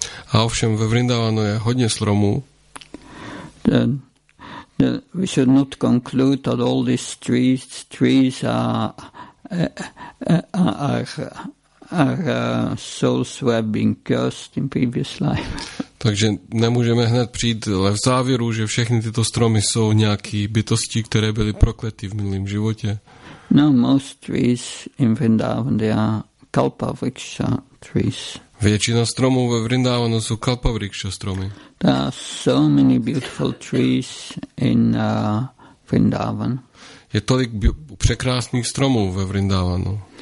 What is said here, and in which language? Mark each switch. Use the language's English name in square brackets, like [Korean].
[Czech] A ovšem ve Vrindavanu je hodně stromů. [English] We should not conclude that all these trees are souls who have been cursed in previous life. [Czech] Takže nemůžeme hned přijít ale v závěru, že všechny tyto stromy jsou nějaký bytosti, které byly prokletí v minulém životě. [English] No, most trees in Vrindavan, they are kalpavriksha trees. [Czech] Většina stromů ve Vrindavanu jsou kalpavriksha stromy. [English] There are so many beautiful trees in Vrindavan. [Czech] Je tolik překrásných stromů ve Vrindavanu.